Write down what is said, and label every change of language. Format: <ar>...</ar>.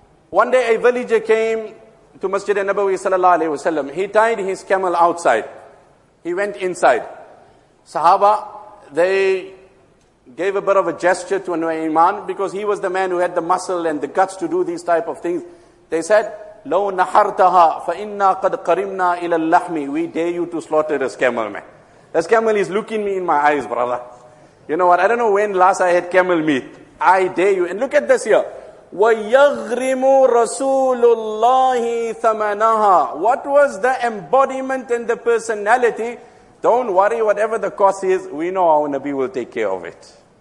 <en>One day a villager came to Masjid al-Nabawi sallallahu alayhi wa sallam. He tied his camel outside. He went inside. Sahaba, they gave a bit of a gesture to Nu'ayman because he was the man who had the muscle and the guts to do these type of things. They said,</en> <ar>لَوْ نَحَرْتَهَا فَإِنَّا قَدْ قَرِمْنَا إِلَى اللَّحْمِ.</ar> <en>We dare you to slaughter this camel, man. This camel is looking me in my eyes, brother. You know what? I don't know when last I had camel meat. I dare you. And look at this here.</en> <ar>وَيَغْرِمُ رَسُولُ اللَّهِ ثَمَنَهَا.</ar> <en>What was the embodiment and the personality? Don't worry, whatever the cost is, we know our Nabi will take care of it.</en>